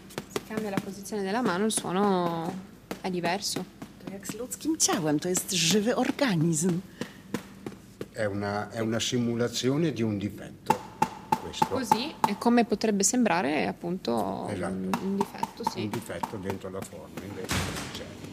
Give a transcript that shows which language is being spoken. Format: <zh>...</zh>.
<it>Se cambia la posizione della mano, il suono è diverso.</it> <pl>Jak z ludzkim ciałem, to jest żywy organizm.</pl> <it>È una simulazione di un difetto. Questo. Così è come potrebbe sembrare appunto un difetto, sì. Un difetto dentro la forma, invece non c'è.</it>